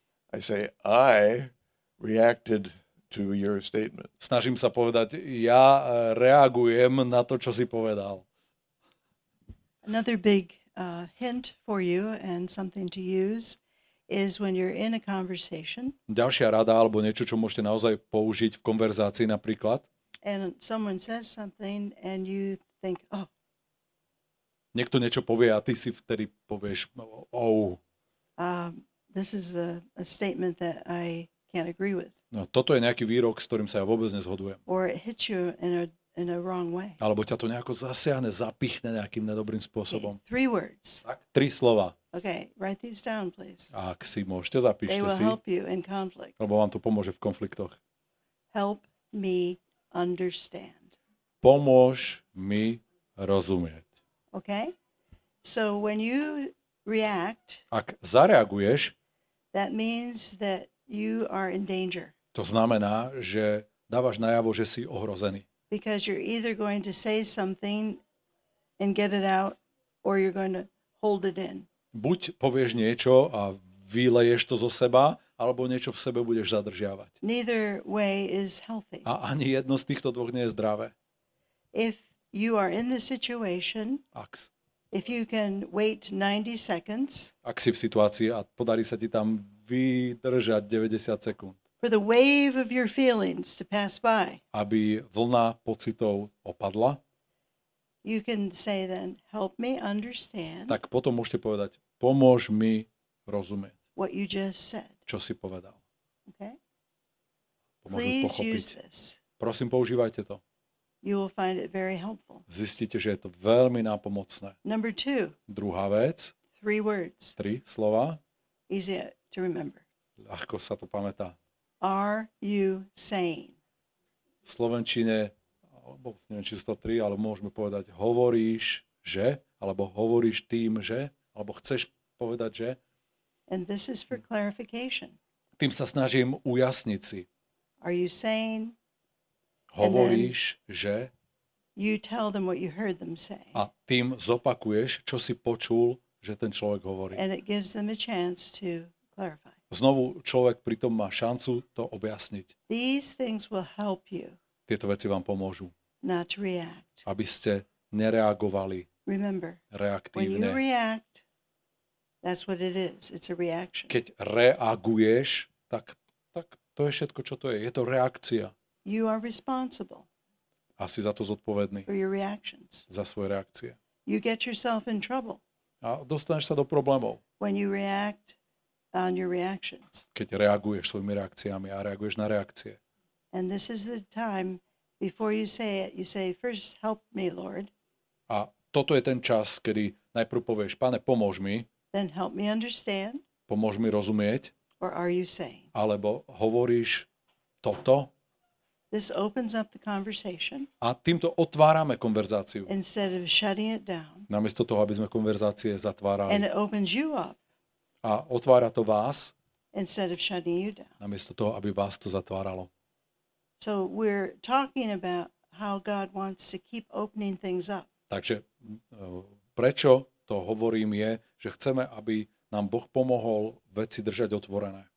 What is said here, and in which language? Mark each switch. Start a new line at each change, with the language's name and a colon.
English: I say I reacted to your statement.
Slovak: Snažím sa povedať, ja reagujem na to, čo si povedal.
English: Another big hint for you and something to use is when you're in a conversation.
Slovak: Ďalšia rada alebo niečo, čo môžete naozaj použiť v konverzácii napríklad.
English: And someone says something and you think, oh.
Slovak: Niekto niečo povie a ty si vtedy povieš, oh.
English: This is a statement that I can't agree with.
Slovak: No, toto je nejaký výrok, s ktorým sa ja vôbec nezhodujem.
English: Or it hits you in a wrong way.
Slovak: Alebo ťa to nejako zasiahne, zapichne nejakým nedobrým spôsobom.
English: Okay, three words.
Slovak: Tak, tri slova.
English: Okay, write these down, please.
Slovak: Ak si môžete, zapíšte
English: they will
Slovak: si.
English: Help you in conflict.
Slovak: Lebo vám to pomôže v konfliktoch.
English: Help me understand.
Slovak: Pomôž mi rozumieť.
English: Okay? So when you react,
Slovak: ak zareaguješ,
English: that means that you are in danger.
Slovak: To znamená, že dávaš najavo, že si ohrozený.
English: Because you're either going to say something and get it out, or you're going to hold it in.
Slovak: Buď povieš niečo a vyleješ to zo seba, alebo niečo v sebe budeš zadržiavať.
English: Neither way is healthy.
Slovak: A ani jedno z týchto dvoch nie je zdravé.
English: If you are in the situation,
Slovak: ak,
English: if you can wait 90 seconds,
Slovak: ak si v situácii a podarí sa ti tam vydržať 90 sekúnd,
English: for the wave of your feelings to pass by,
Slovak: aby vlna pocitov opadla,
English: you can say then, help me understand,
Slovak: tak potom môžete povedať, pomôž mi rozumieť,
English: what you just said.
Slovak: Čo si povedal.
English: Okay? Please use this.
Slovak: Prosím, používajte to.
English: You will find it very helpful.
Slovak: Zistíte, že je to veľmi nápomocné.
English: Number two.
Slovak: Druhá vec.
English: Three words.
Slovak: Tri slova.
English: Easy to remember.
Slovak: Ľahko sa to pamätá.
English: Are you sane?
Slovak: V slovenčine, alebo neviem, či 103, ale môžeme povedať, hovoríš, že, alebo hovoríš tým, že, alebo chceš povedať, že.
English: And this is for clarification.
Slovak: Tým sa snažím ujasniť si.
English: Are you sane?
Slovak: Hovoríš, že.
English: You tell them what you heard them say.
Slovak: A tým zopakuješ, čo si počul, že ten človek hovorí.
English: And it gives them a chance to clarify.
Slovak: Znovu človek pritom má šancu to objasniť.
English: These things will help you.
Slovak: Tieto veci vám pomôžu.
English: Not to react.
Slovak: Aby ste nereagovali.
English: Remember.
Slovak: Reaktívne.
English: When you react, that's what it is. It's a reaction.
Slovak: Keď reaguješ, tak to je všetko, čo to je. Je to reakcia.
English: You are responsible.
Slovak: A si za to zodpovedný.
English: For your reactions.
Slovak: Za svoje reakcie.
English: You get yourself in trouble.
Slovak: A dostaneš sa do problémov.
English: When you react on your reactions.
Slovak: Keď reaguješ svojimi reakciami a reaguješ na reakcie.
English: And this is the time before you say it, you say first help me Lord.
Slovak: A toto je ten čas, kedy najprv povieš, Pane, pomôž mi.
English: Then help me understand.
Slovak: Pomôž mi rozumieť.
English: Or are you saying?
Slovak: Alebo hovoríš toto?
English: This opens up the conversation.
Slovak: A týmto otvárame konverzáciu.
English: Instead of shutting it down.
Slovak: Namiesto toho, aby sme konverzácie zatvárali.
English: And it opens you up.
Slovak: A otvára to vás.
English: Instead of shutting you down.
Slovak: Namiesto toho, aby vás to zatváralo.
English: So we're talking about how God wants to keep opening things up.
Slovak: Takže prečo to hovorím je, že chceme, aby nám Boh pomohol veci držať otvorené.